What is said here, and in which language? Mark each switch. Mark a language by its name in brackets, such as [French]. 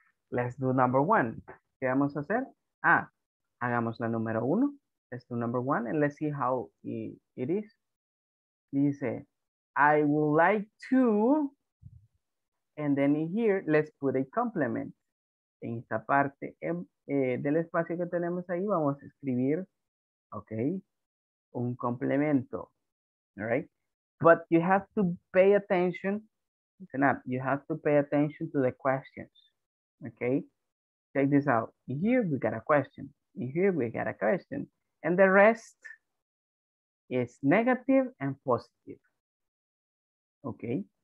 [English] Let's do number one. [Spanish] ¿Qué vamos a hacer? Ah, hagamos la número uno. [English] Let's do number one and let's see how it is. Dice, I would like to, and then in here, let's put a complement. [Spanish] En esta parte del espacio que tenemos ahí, vamos a escribir, okay, un complemento, all right? [English] But you have to pay attention, listen up, you have to pay attention to the questions, okay? Check this out. Here we got a question. Here we got a question. And the rest is negative and positive, okay?